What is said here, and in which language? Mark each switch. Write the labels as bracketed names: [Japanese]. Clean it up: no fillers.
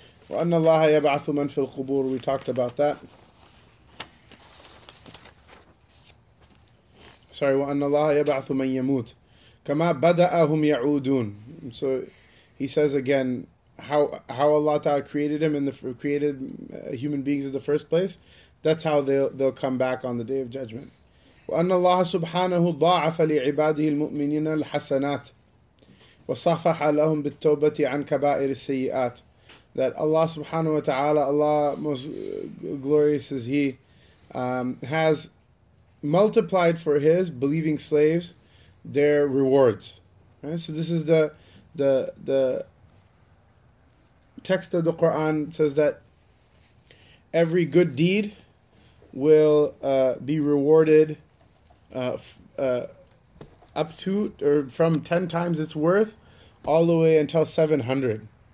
[Arabic] وأن الله يبعث من في القبور. [English] We talked about that. Sorry. [Arabic] وأن الله يبعث من يموت كما بدأهم يعودون. [English] So he says again how Allah Ta'ala created him and created human beings in the first place. That's how they'll come back on the day of judgment. [Arabic] وأن الله سبحانه ضاعف لعباده المؤمنين الحسنات وصفح لهم بالتوبة عن كبائر السيئات. [English] That Allah subhanahu wa ta'ala, Allah most glorious is He, has multiplied for His believing slaves their rewards. Right? So this is the text of the Quran says that every good deed will be rewarded up to or from 10 times its worth all the way until 700.